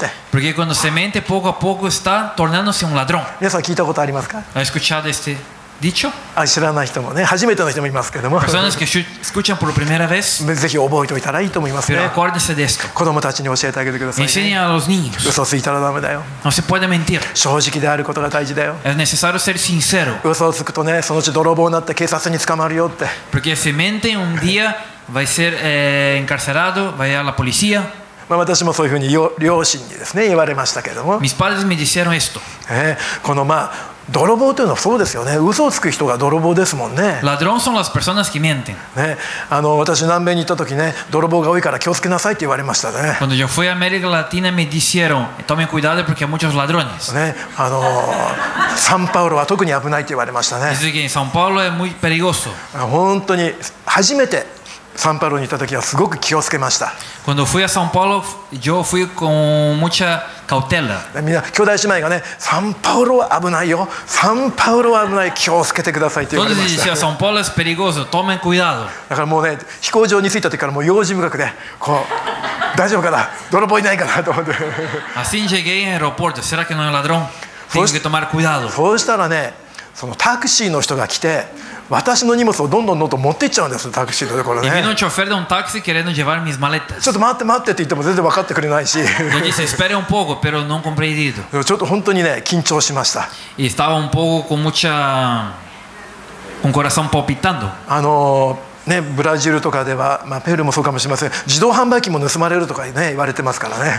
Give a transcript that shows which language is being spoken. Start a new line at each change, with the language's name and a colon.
Spanish: Porque cuando se mente poco a poco está tornándose un ladrón. ¿Has escuchado este? Dicho?
Japanese: 知らない人もね、初めての人もいますけども。
Spanish: Personas que escuchan por primera vez,
Japanese: ぜひ覚えておいたらいいと思いますね。
Spanish: Pero acuérdese de esto.
Japanese: 子供たちに教えてあげてください、ね。
Spanish: Enseñe a los niños.
Japanese: 嘘ついたらダメだよ。
Spanish: No se puede mentir.
Japanese: 正直であることが大事だよ。
Spanish: Es necesario ser sincero.
Japanese: 嘘をつくとね、そのうち泥棒になって警察に捕まるよって。
Spanish: Porque si miente un día, va a ser encarcelado, va a ir a la policía.
Japanese: まあ、私もそういうふうに両親にですね言われましたけども。
Spanish: Mis padres me dijeron esto.
Japanese: このまあ泥棒というのはそうですよね。嘘をつく人が泥棒ですもんね。
Spanish: Ladrón son las personas que mienten.
Japanese: ね、あの私南米に行った時ね、泥棒が多いから気をつけなさいって言われましたね。
Spanish: Cuando yo fui a América Latina me dijeron, tome cuidado porque hay muchos ladrones.
Japanese: ね、あのサンパウロは特に危ないって言われましたね。
Spanish: Dice que en São Paulo es muy peligroso.
Japanese: 本当に初めてサンパウロに行った時はすごく気をつけました。
Spanish: Cuando fui a São Paulo, yo fui con mucha cautela.
Japanese: みんな兄弟姉妹がね、サンパウロは危ないよ、サンパウロは危ない、気をつけてくださいって言われました。
Spanish: Todos decían, São Paulo es peligroso, tomen cuidado.
Japanese: だからもうね、飛行場に着いた時からもう用心深くね、こう大丈夫かな、泥棒いないかなと思って。
Spanish: Así llegué en el aeropuerto, será que no es ladrón? Tengo que tomar cuidado.
Japanese: そうしたらね、そのタクシーの人が来て。私の荷物をどんどんどんどん持っていっちゃうんですタクシーのところね。
Spanish: Y vino un chofer de un taxi queriendo llevar mis maletas.
Japanese: ちょっと待って待ってって言っても全然分かってくれないし。
Spanish: Y dice, espere un poco, pero no comprendido.
Japanese: ちょっと本当にね緊張しました。
Spanish: Y estaba un poco con mucha un corazón palpitando.
Japanese: あのねブラジルとかではまあペルーもそうかもしれません。自動販売機も盗まれるとかね言われてますからね。